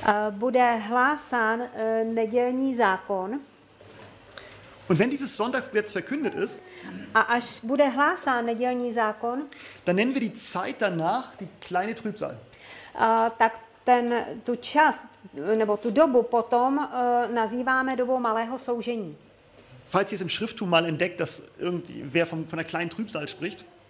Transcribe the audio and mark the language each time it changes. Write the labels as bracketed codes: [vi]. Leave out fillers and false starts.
[cs] Bude hlásán nedělní zákon. [de] Und wenn dieses Sonntagsgesetz verkündet ist, [cs] a až bude hlásán nedělní zákon, [de] dann nennen wir die Zeit danach die kleine Trübsal. [cs] Tak ten tu čas nebo tu dobu potom nazýváme dobou malého soužení. [de] Falls ihr es im Schrifttum mal entdeckt, dass irgendwer von der kleinen Trübsal spricht.